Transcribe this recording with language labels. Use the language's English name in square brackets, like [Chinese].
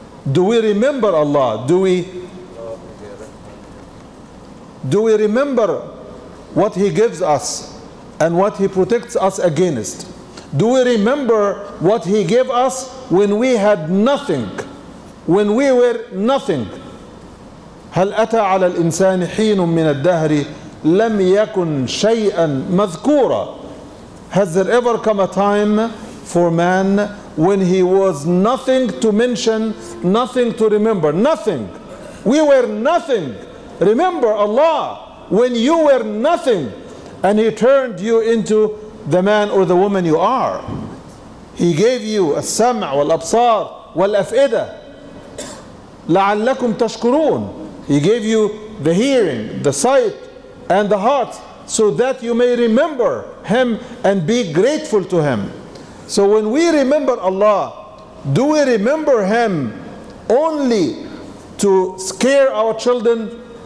[English] Do we remember Allah? Do we remember what He gives us and what He protects us against? Do we remember what He gave us when we had nothing, when we were nothing? [Arabic] هل أتى على الإنسان حين من الدهر لم يكن شيئا مذكورا. [English] Has there ever come a time for man when he was nothing to mention, nothing to remember? Nothing. We were nothing. Remember Allah when you were nothing and He turned you into the man or the woman you are. He gave you [Arabic] السمع والأبصار والأفئدة لعلكم تشكرون. [English] He gave you the hearing, the sight, and the heart so that you may remember Him and be grateful to Him. So when we remember Allah, do we remember Him only to scare our children?